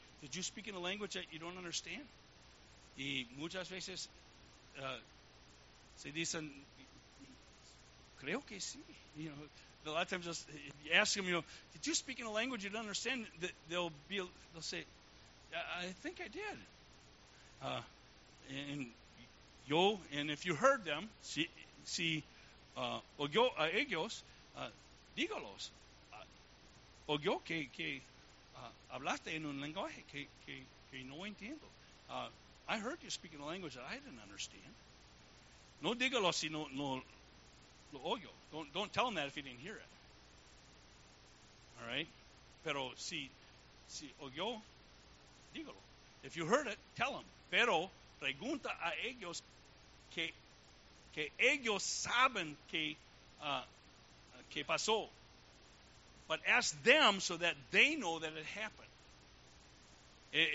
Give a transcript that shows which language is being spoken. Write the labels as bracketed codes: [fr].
[en] Did you speak in a language that you don't understand? [es] Y muchas veces se dicen, creo que sí. [en] You know, a lot of times just if you ask them, you know, did you speak in a language you don't understand? They'll say, I think I did. And if you heard them, [es] si oyó a ellos, dígalos. Oyó que hablaste en un lenguaje que no entiendo. [en] I heard you speak in a language that I didn't understand. [es] No dígalo si no lo oyó. [en] Don't tell him that if he didn't hear it. All right? [es] Pero si oyó, dígalo. [en] If you heard it, tell him. [es] Pero pregunta a ellos que ellos saben que pasó. [en] But ask them so that they know that it happened.